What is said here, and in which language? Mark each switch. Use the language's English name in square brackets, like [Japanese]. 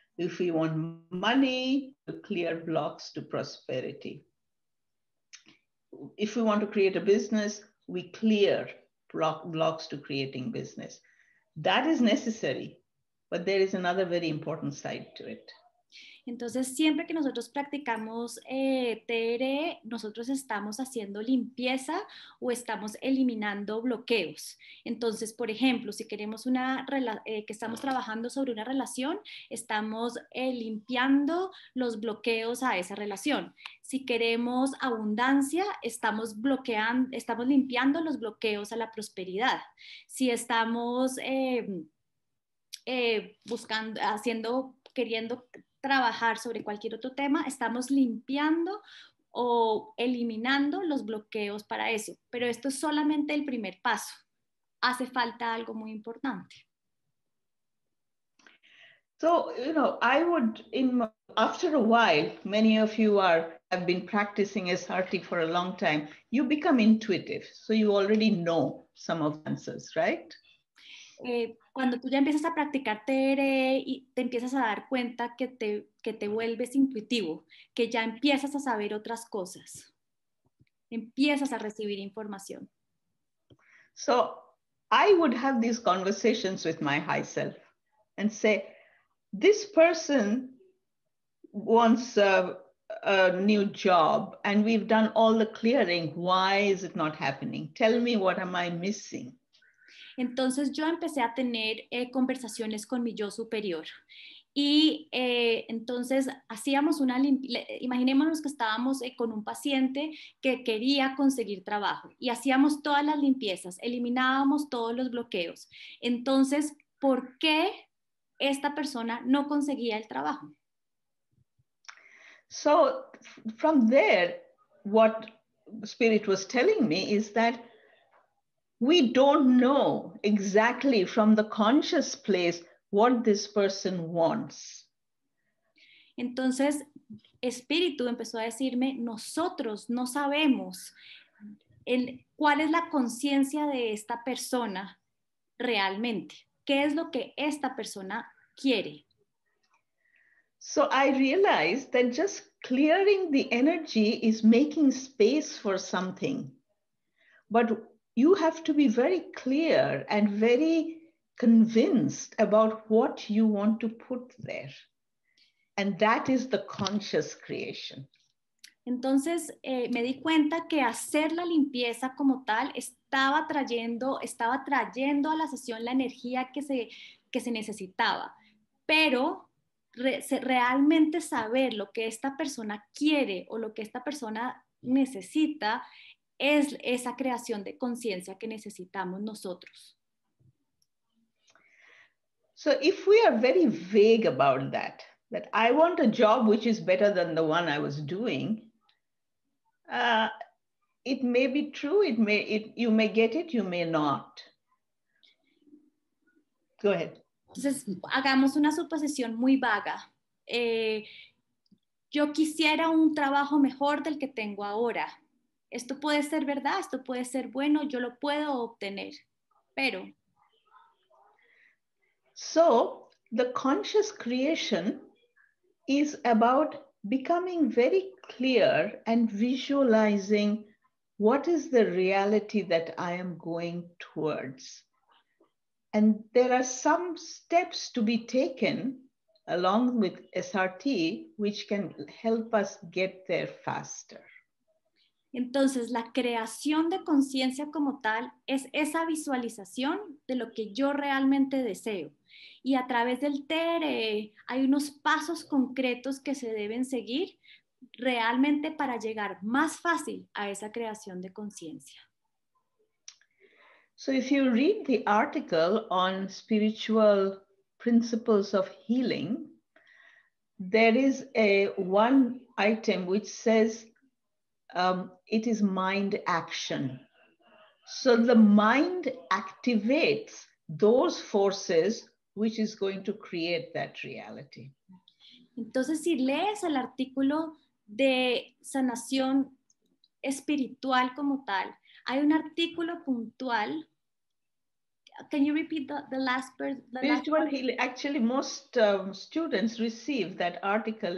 [English] If we want money, we clear blocks to prosperity. If we want to create a business, we clear blocks to creating business. That is necessary, but there is another very important side to it. [Spanish] Entonces, siempre que nosotros practicamos TR, nosotros estamos haciendo limpieza o estamos eliminando bloqueos. Entonces, por ejemplo, si queremos que estamos trabajando sobre una relación, estamos limpiando los bloqueos a esa relación. Si queremos abundancia, estamos limpiando los bloqueos a la prosperidad. Si estamos queriendo trabajar sobre cualquier otro tema, estamos limpiando o eliminando los bloqueos para eso. Pero esto es solamente el primer paso. Hace falta algo muy importante. [English] So, you know, I would, after a while, many of you have been practicing SRT for a long time, you become intuitive. So you already know some of the answers, right? [Spanish] Cuando tú ya empiezas a practicar TR y te empiezas a dar cuenta que te vuelves intuitivo, que ya empiezas a saber otras cosas, empiezas a recibir información. [English] So I would have these conversations with my high self and say, this person wants a new job and we've done all the clearing. Why is it not happening? Tell me, what am I missing? [Spanish] Entonces yo empecé a tener conversaciones con mi yo superior y entonces hacíamos una limpieza. Imaginémonos que estábamos con un paciente que quería conseguir trabajo y hacíamos todas las limpiezas, eliminábamos todos los bloqueos. Entonces, ¿por qué esta persona no conseguía el trabajo? [English] So from there, what Spirit was telling me is that we don't know exactly from the conscious place what this person wants. [Spanish] Entonces, Espíritu empezó a decirme, nosotros no sabemos cuál es la conciencia de esta persona realmente. ¿Qué es lo que esta persona quiere? [English] So I realized that just clearing the energy is making space for something. But you have to be very clear and very convinced about what you want to put there. And that is the conscious creation. [Spanish] Entonces, me di cuenta que hacer la limpieza como tal estaba trayendo a la sesión la energía que se necesitaba. Pero realmente saber lo que esta persona quiere o lo que esta persona necesita es esa creación de conciencia que necesitamos nosotros. [English] So if we are very vague about that I want a job which is better than the one I was doing, it may be true, you may get it, you may not. Go ahead. [Spanish] Entonces, hagamos una suposición muy vaga. Yo quisiera un trabajo mejor del que tengo ahora. Esto puede ser verdad, esto puede ser bueno, yo lo puedo obtener, pero. [English] So, the conscious creation is about becoming very clear and visualizing what is the reality that I am going towards. And there are some steps to be taken along with SRT, which can help us get there faster. [Spanish] Entonces, la creación de conciencia como tal es esa visualización de lo que yo realmente deseo. Y a través del TRE hay unos pasos concretos que se deben seguir realmente para llegar más fácil a esa creación de conciencia. [English] So if you read the article on spiritual principles of healing, there is one item which says, it is mind action. So the mind activates those forces which is going to create that reality. [Spanish] Entonces, si lees el artículo de sanación espiritual como tal, hay un artículo puntual. [English] Can you repeat the last part? Spiritual healing. Actually, most students receive that article.